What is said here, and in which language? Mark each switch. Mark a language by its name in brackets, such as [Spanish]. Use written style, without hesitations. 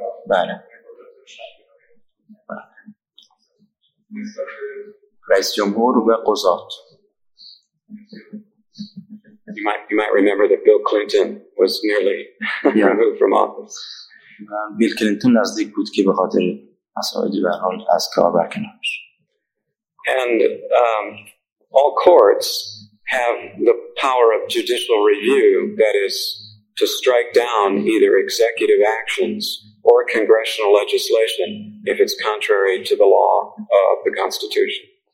[Persian] بله رئیس جمهور و قضات. [English] You might remember that Bill Clinton was nearly removed from office. [Persian] Bill Clinton نزدیک بود که به خاطر مسائلی به حال از کار برکنار بشه. [English] And all courts have the power of judicial review, that is to strike down either executive actions or congressional legislation if it's contrary to the law of the Constitution.